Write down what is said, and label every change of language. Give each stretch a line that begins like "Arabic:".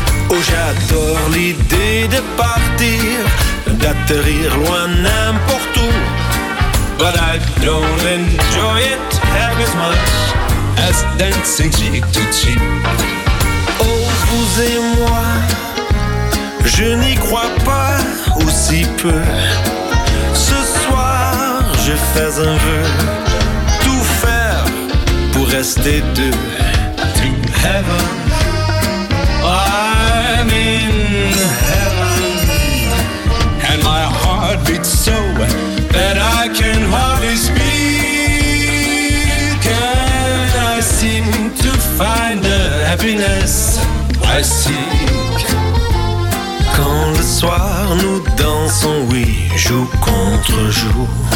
French: Oh, j'adore l'idée de partir, d'atterrir loin n'importe où.
English: But I don't enjoy it half as much as dancing cheek to cheek.
French: Oh, vous et moi, je n'y crois pas aussi peu. Ce soir, je fais un vœu, tout faire pour rester deux.
English: To heaven, I'm in heaven, and my heart beats so that I can hardly speak. And I seem to find the happiness I seek.
French: Quand le soir nous dansons, oui, jour contre jour.